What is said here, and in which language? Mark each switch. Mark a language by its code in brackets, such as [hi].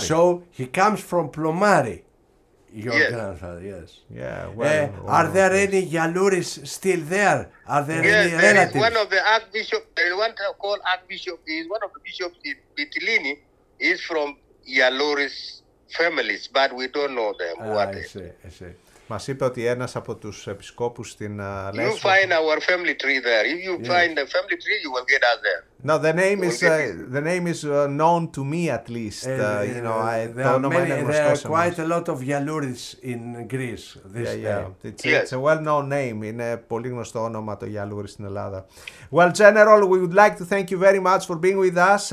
[en] So he comes from Plomari, your grandfather, yes. Yeah, well. Are there any Yalouris still there? Are there any relatives? Yes, one of the bishops in Mytilene is from Yalouris families, but we don't know them. I see. [el] Μας είπε ότι ένας από τους επισκόπους στην Λέσβο. [en] You find our family tree there. If you find the family tree, you will get us there. No, the name is known to me at least. There are quite a lot of Yaluris in Greece this day. Yeah. It's a well-known name. [el] Είναι πολύ γνωστό όνομα το Γιαλούρι στην Ελλάδα. [en] Well, General, we would like to thank you very much for being with us.